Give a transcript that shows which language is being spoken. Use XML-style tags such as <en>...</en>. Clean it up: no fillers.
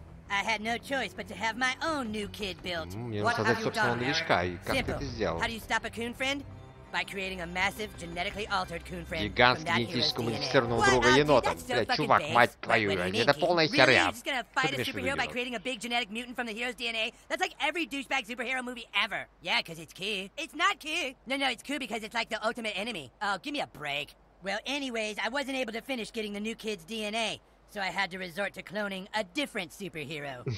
<en>I had no choice but to have my own new kid built. What have you done, Eric? Simple. How do you stop a coon friend? By creating a massive, genetically altered coon friend.</en> <ru>Гигантский генетически модифицированного друга енота. Блядь, чувак, мать твою, это полная херня.</ru> <en>He's gonna fight a superhero by creating a big genetic mutant from the hero's DNA. That's like every douchebag superhero movie ever. Yeah, because it's key. It's not key. No, it's cool because it's like the ultimate enemy. Oh, give me a break. Well, anyways, I wasn't able to finish getting the new kid's DNA. So I had to resort to cloning a different superhero.</en>